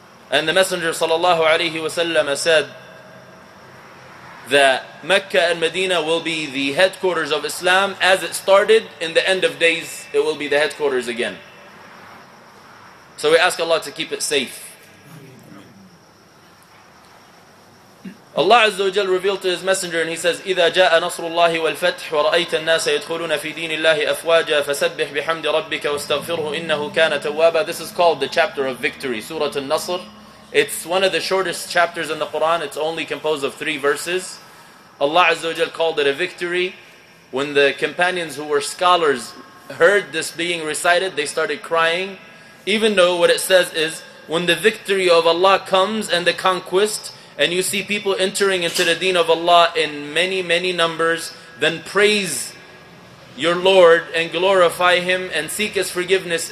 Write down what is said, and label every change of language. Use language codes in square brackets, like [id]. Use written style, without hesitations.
[en] And the Messenger sallallahu alayhi wa sallam said that Mecca and Medina will be the headquarters of Islam as it started. In the end of days, it will be the headquarters again. So we ask Allah to keep it safe. Allah Azza wa Jal revealed to His Messenger and He says, [ar] إِذَا جَاءَ نَصْرُ اللَّهِ وَالْفَتْحُ وَرَأَيْتَ النَّاسَ يَدْخُلُونَ فِي دِينِ اللَّهِ أَفْوَاجًا فَسَبِّحْ بِحَمْدِ رَبِّكَ وَاسْتَغْفِرْهُ إِنَّهُ كَانَ تَوَّابًا. [en] This is called the chapter of victory, Surah Al-Nasr. It's one of the shortest chapters in the Quran. It's only composed of three verses. Allah Azza wa Jal called it a victory. When the companions who were scholars heard this being recited, they started crying. Even though what it says is, when the victory of Allah comes and the conquest, and you see people entering into the deen of Allah in many, many numbers, then praise your Lord and glorify Him and seek His forgiveness.